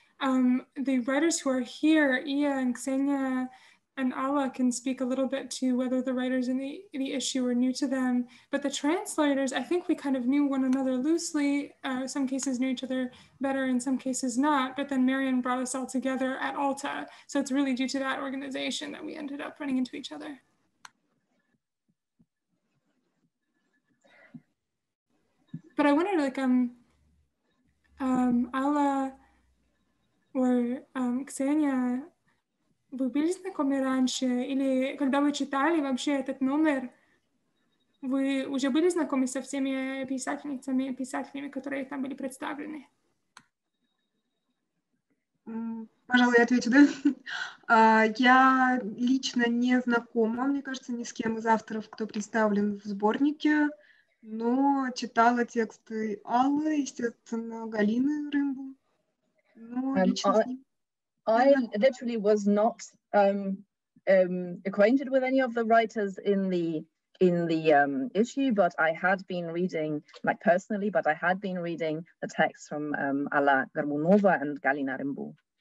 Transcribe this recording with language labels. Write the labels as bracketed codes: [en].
[en] The writers who are here, Iya and Ksenia, and Alla can speak a little bit to whether the writers in the issue are new to them. But the translators, I think we kind of knew one another loosely, some cases knew each other better, in some cases not. But then Marion brought us all together at Alta. So it's really due to that organization that we ended up running into each other. But I wonder, like, Alla or Ksenia, [ru] вы были знакомы раньше, или когда вы читали вообще этот номер, вы уже были знакомы со всеми писательницами и писателями, которые там были представлены? Пожалуй, я отвечу, да? Я лично не знакома, мне кажется, ни с кем из авторов, кто представлен в сборнике, но читала тексты Аллы, естественно, Галины Рымбу, но лично с ним... [en] I literally was not acquainted with any of the writers in the issue, but I had been reading, like personally, but I had been reading the text from Alla Gorbunova and Galina Rymbu.